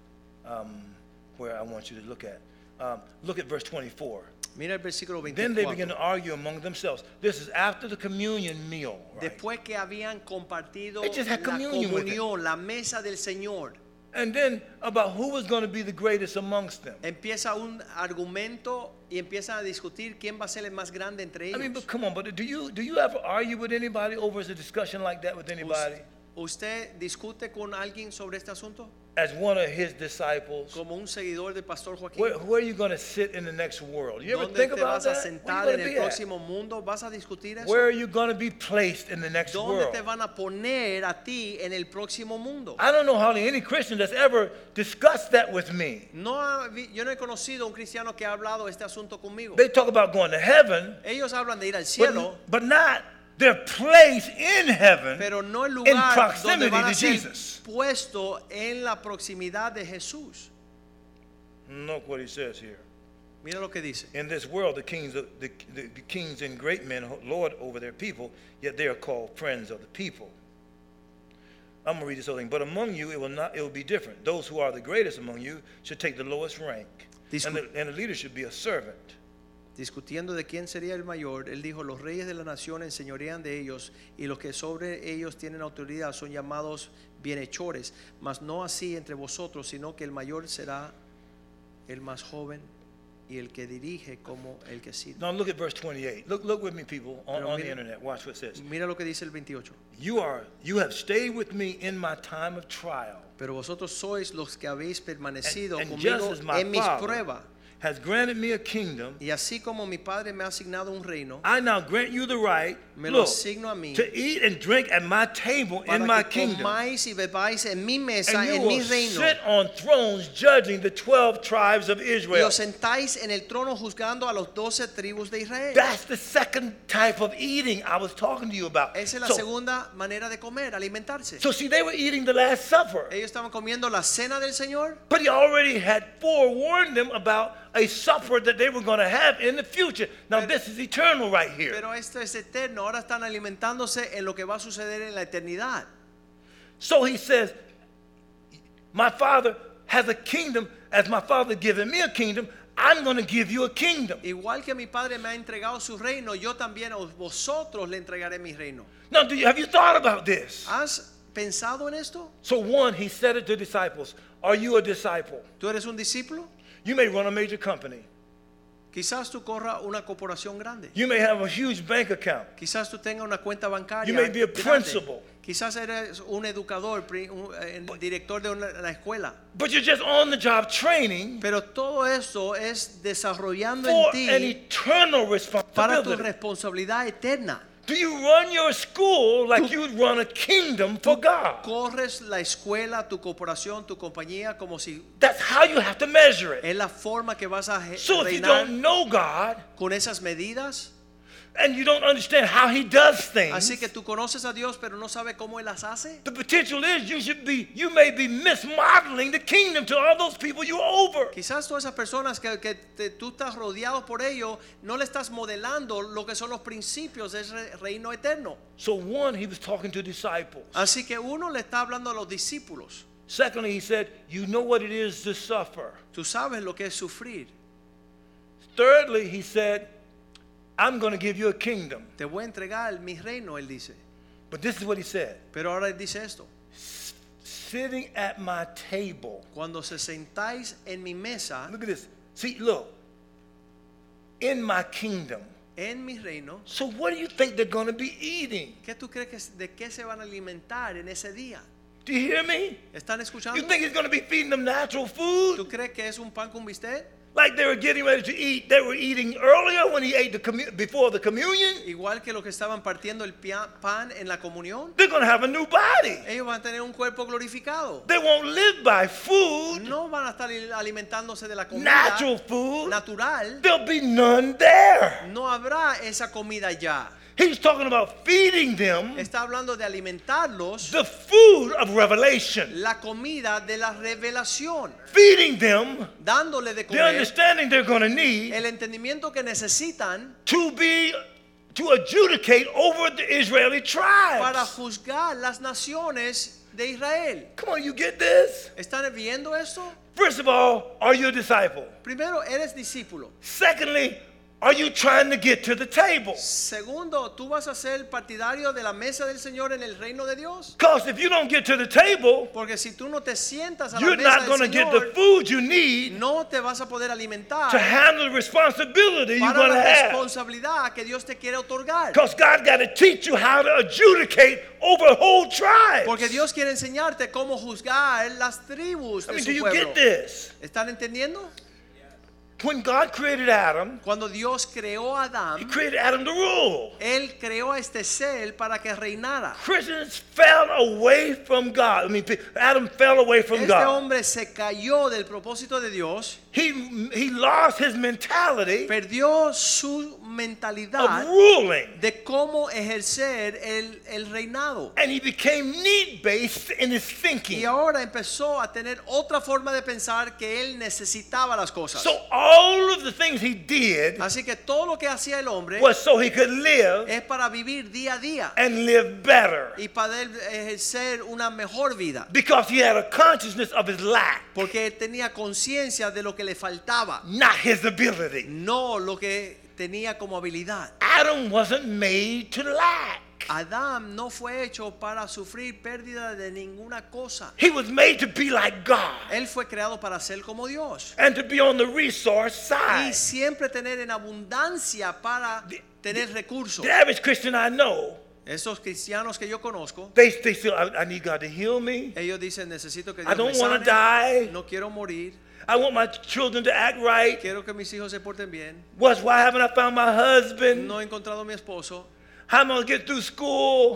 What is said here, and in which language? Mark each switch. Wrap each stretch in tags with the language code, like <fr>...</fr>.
<en>I'm sorry, this is not where I want you to look at. Look at verse 24.</en> <es>Mira el versículo 24.</es> <en>Then they began to argue among themselves. This is after the communion meal, right?</en> <es>Después que habían compartido</es> <en>they just had</en> <es>la</es> <en>communion</en> <es>comunión, la mesa del Señor.</es> <en>And then about who was going to be the greatest amongst them.</en> <es>Empieza un argumento y empiezan a discutir quién va a ser el más grande entre ellos.</es> <en>I mean, but come on, but do you ever argue with anybody over a discussion like that with anybody?</en> <es>¿Usted discute con alguien sobre este asunto?</es> <en>As one of his disciples,</en> <es>como un seguidor de Pastor Joaquín,</es> <en>where are you going to sit in the next world? You ever think about that?</en> <es>¿Dónde te vas a sentar en el próximo mundo? ¿Vas a discutir eso?</es> <en>Where are you going to be placed in the next</en> <es>¿Dónde</es> <en>world?</en> <es>¿Dónde te van a poner a ti en el próximo mundo?</es> <en>I don't know how any Christian that's ever discussed that with me.</en> <es>No, yo no he conocido un cristiano que ha hablado este asunto conmigo.</es> <en>They talk about going to heaven.</en> <es>Ellos hablan de ir al cielo,</es> <en>but not their place in heaven,</en> <es>pero no el lugar</es> <en>in proximity</en> <es>donde van a</es> <en>to Jesus.</en> <es>Puesto en la proximidad de Jesús.</es> <en>Look what he says here.</en> <es>Mira lo que dice.</es> <en>In this world, the kings and great men lord over their people, yet they are called friends of the people. I'm going to read this whole thing. But among you, it will be different. Those who are the greatest among you should take the lowest rank, and the leader should be a servant.</en> <es>Discutiendo de quién sería el mayor, él dijo: los reyes de la nación enseñorean de ellos, y los que sobre ellos tienen autoridad son llamados bienhechores. Mas no así entre vosotros, sino que el mayor será el más joven, y el que dirige como el que sirve.</es> <en>Now look at verse 28. Look with me, people on the internet. Watch what it says.</en> <es>Mira lo que dice el 28.</es> <en>You have stayed with me in my time of trial.</en> <es>Pero vosotros sois los que habéis permanecido conmigo en mis pruebas.</es> <en>Has granted me a kingdom.</en> <es>Y así como mi padre me ha asignado un reino,</es> <en>I now grant you the right,</en> <es>me lo asigno a mí,</es> <en>to eat and drink at my table in my kingdom.</en> <es>Comáis y bebáis en mi mesa,</es> <en>and you</en> <es>en</es> <en>will</en> <es>mi reino.</es> <en>Sit on thrones judging the 12 tribes of Israel.</en> <es>Y os sentáis en el trono juzgando a los 12 tribus de Israel.</es> <en>That's the second type of eating I was talking to you about.</en> <es>Esa es la segunda manera de comer, alimentarse.</es> <en>So see, they were eating the Last Supper.</en> <es>Ellos estaban comiendo la cena del Señor.</es> <en>But he already had forewarned them about a supper that they were going to have in the future. Now this is eternal right here.</en> <es>Pero esto es eterno. Ahora están alimentándose en lo que va a suceder en la eternidad.</es> <en>So he says, my father has a kingdom. As my father given me a kingdom, I'm going to give you a kingdom.</en> <es>Igual que mi padre me ha entregado su reino, yo también a vosotros le entregaré mi reino.</es> <en>Now have you thought about this?</en> <es>¿Has pensado en esto?</es> <en>So one, he said it to disciples. Are you a disciple?</en> <es>¿Tú eres un discípulo?</es> <en>You may run a major company.</en> <es>Quizás tú corra una corporación grande.</es> <en>You may have a huge bank account.</en> <es>Quizás tú tenga una cuenta bancaria.</es> <en>You may be a principal.</en> <es>Quizás eres un educador, director de una escuela.</es> <en>But you're just on the job training.</en> <es>Pero todo eso es desarrollando</es> <en>for</en> <es>en ti</es> <en>an eternal responsibility.</en> <es>Para tu responsabilidad eterna.</es> <en>Do you run your school like you would run a kingdom for God?</en> <es>Corres la escuela, tu corporación, tu compañía como si.</es> <en>That's how you have to measure it.</en> <es>Es la forma que vas a reinar.</es> <en>So if you don't know God,</en> <es>con esas medidas,</es> <en>and you don't understand how He does things.</en> <es>Así que tú conoces a Dios, pero no sabes cómo Él las hace.</es> <en>The potential is you may be mismodeling the kingdom to all those people you're over.</en> <es>Quizás todas esas personas que tú estás rodeado por ellos, no le estás modelando lo que son los principios de ese reino eterno.</es> <en>So one, he was talking to disciples.</en> <es>Así que uno le está hablando a los discípulos.</es> <en>Secondly, he said, you know what it is to suffer.</en> <es>Tú sabes lo que es sufrir.</es> <en>Thirdly, he said, I'm going to give you a kingdom.</en> <es>Te voy a entregar mi reino, él dice.</es> <en>But this is what he said.</en> <es>Pero ahora él dice esto.</es> <en>Sitting at my table.</en> <es>Cuando se sentáis en mi mesa.</es> <en>Look at this. See, look. In my kingdom.</en> <es>En mi reino.</es> <en>So what do you think they're going to be eating?</en> <es>¿Qué tú crees que de qué se van a alimentar en ese día?</es> <en>Do you hear me?</en> <es>¿Están escuchando?</es> <en>You think he's going to be feeding them natural food?</en> <es>¿Tú crees que es un pan con bistec?</es> <en>Like they were getting ready to eat, they were eating earlier when he ate before the communion.</en> <es>Igual que los que estaban partiendo el pan en la comunión.</es> <en>They're going to have a new body.</en> <es>Ellos van a tener un cuerpo glorificado.</es> <en>They won't live by food.</en> <es>No van a estar alimentándose de la comida.</es> <en>Natural food.</en> <es>Natural.</es> <en>There'll be none there.</en> <es>No habrá esa comida ya.</es> <en>He's talking about feeding them.</en> <es>Está hablando de alimentarlos.</es> <en>The food of revelation.</en> <es>La comida de la revelación.</es> <en>Feeding them.</en> <es>Dándole de comer.</es> <en>The understanding they're going to need.</en> <es>El entendimiento que necesitan.</es> <en>To adjudicate over the Israeli tribes.</en> <es>Para juzgar las naciones de Israel.</es> <en>Come on, you get this?</en> <es>¿Están viendo esto?</es> <en>First of all, are you a disciple?</en> <es>Primero, eres discípulo.</es> <en>Secondly, are you trying to get to the table?</en> <es>Segundo, ¿tú vas a ser partidario de la mesa del Señor en el reino de Dios?</es> <en>Because if you don't get to the table,</en> <es>porque si tú no te sientas a la mesa del Señor,</es> <en>get the food you need,</en> <es>no te vas a poder alimentar</es> <en>to handle the responsibility</en> <es>para</es> <en>you're going to have.</en> <es>La responsabilidad que Dios te quiere otorgar.</es> <en>Because God got to teach you how to adjudicate over whole tribes.</en> <es>Porque Dios quiere enseñarte cómo juzgar las tribus de su pueblo.</es> <en>Do you get this?</en> <es>¿Están entendiendo?</es> <en>When God created Adam,</en> <es>cuando Dios creó a Adam,</es> <en>He created Adam to rule.</en> <es>Él creó a este ser para que reinara.</es> <en>Christians fell away from God. I mean, Adam fell away from God.</en> <es>Este hombre se cayó del propósito de Dios.</es> <en>He lost his mentality.</en> <es>Perdió su mentalidad</es> <en>of ruling.</en> <es>De cómo ejercer el reinado.</es> <en>And he became need-based in his thinking.</en> <es>Y ahora empezó a tener otra forma de pensar que él necesitaba las cosas.</es> <en>So all of the things he did,</en> <es>así que todo lo que hacía el hombre,</es> <en>was so he could live,</en> <es>es para vivir día a día,</es> <en>and live better,</en> <es>y poder ejercer una mejor vida,</es> <en>because he had a consciousness of his lack,</en> <es>porque él tenía conciencia de lo que le faltaba,</es> <en>not his ability,</en> <es>no lo que tenía como habilidad.</es> <en>Adam wasn't made to lack.</en> <es>Adam no fue hecho para sufrir pérdida de ninguna cosa.</es> <en>He was made to be like God.</en> <es>Él fue creado para ser como Dios.</es> <en>And to be on the resource side.</en> <es>Y siempre tener en abundancia para tener recursos.</es> <en>The average Christian I know.</en> <es>Esos cristianos que yo conozco.</es> <en>They feel I need God to heal me.</en> <es>Ellos dicen necesito que Dios me sane.</es> <en>I don't want to die.</en> <es>No quiero morir.</es> <en>I want my children to act right.</en> <es>Quiero que mis hijos se porten bien.</es> <en>What's why haven't I found my husband?</en> <es>No he encontrado mi esposo.</es> <en>How am I going to get through school?</en>